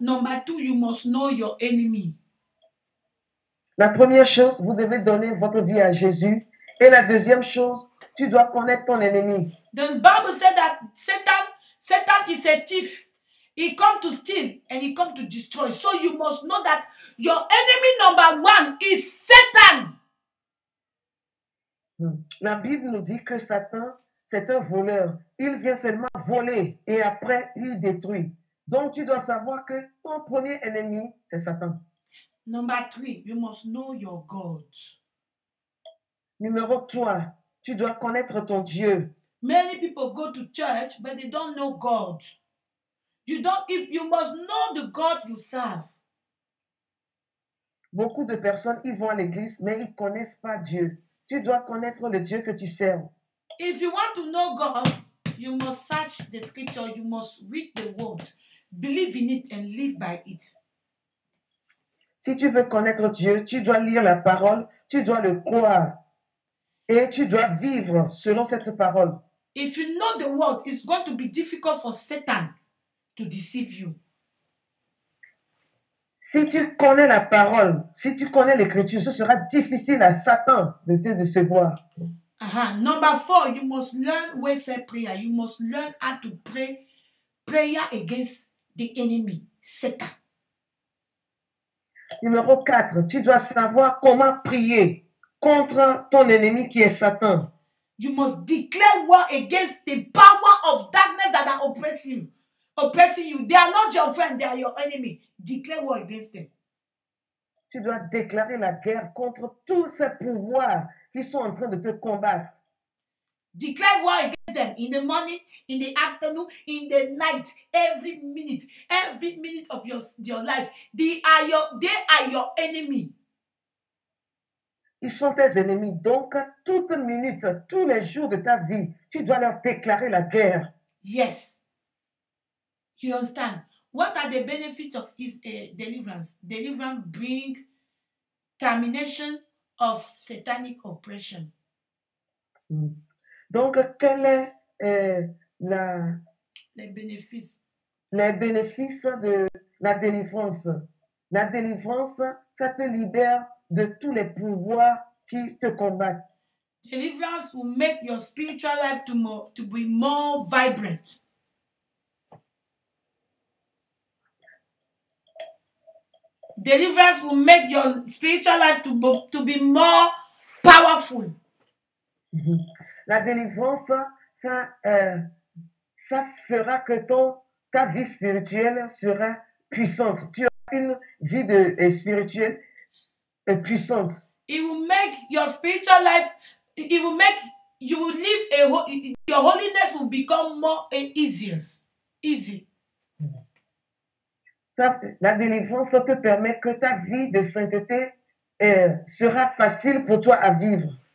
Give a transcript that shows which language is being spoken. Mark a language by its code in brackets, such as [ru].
[en] Number two, you must know your enemy. [fr] La première chose, vous devez donner votre vie à Jésus. Et la deuxième chose, tu dois connaître ton ennemi. [en] The Bible said that Satan is a thief. He come to steal and he come to destroy. So you must know that your enemy number one is Satan. [fr] La Bible nous dit que Satan, c'est un voleur. Il vient seulement voler et après il détruit. Donc tu dois savoir que ton premier ennemi, c'est Satan. [en] Number three, you must know your God. [fr] Numéro 3, tu dois connaître ton Dieu. [en] Many people go to church, but they don't know God. You must know the God you serve. [fr] Beaucoup de personnes y vont à l'église, mais ils ne connaissent pas Dieu. Tu dois connaître le Dieu que tu sers. [en] If you want to know God, you must search the scripture, you must read the word, believe in it and live by it. [fr] Si tu veux connaître Dieu, tu dois lire la parole, tu dois le croire et tu dois vivre selon cette parole. [en] If you know the word, it's going to be difficult for Satan to deceive you. [fr] Si tu connais la parole, si tu connais l'écriture, ce sera difficile à Satan de te décevoir. [en] Number four, you must learn warfare prayer. You must learn how to pray prayer against the enemy, Satan. [fr] Numéro 4, tu dois savoir comment prier contre ton ennemi qui est Satan. [en] You must declare war against the power of darkness that are oppressing you. They are not your friend, they are your enemy. Declare war against them. [fr] Tu dois déclarer la guerre contre tous ces pouvoirs qui sont en train de te combattre. [en] Declare war against them in the morning, in the afternoon, in the night, every minute of your life. They are your enemy. [fr] Ils sont tes ennemis. Donc, toute minute, tous les jours de ta vie, tu dois leur déclarer la guerre. [en] Yes. You understand? What are the benefits of his deliverance? Deliverance brings termination of satanic oppression. [fr] Donc, quel est les bénéfices de la délivrance? La délivrance, ça te libère de tous les pouvoirs qui te combattent. [en] Deliverance will make your spiritual life to be more vibrant. Deliverance will make your spiritual life to be more powerful. [fr] La délivrance, ça fera que ta vie spirituelle sera puissante. Tu as une vie de spirituelle puissante. [en] It will make your spiritual life. It will make you will live a your holiness will become more easy. [fr] Ça, la délivrance, ça te permet que ta vie de sainteté sera facile pour toi à vivre.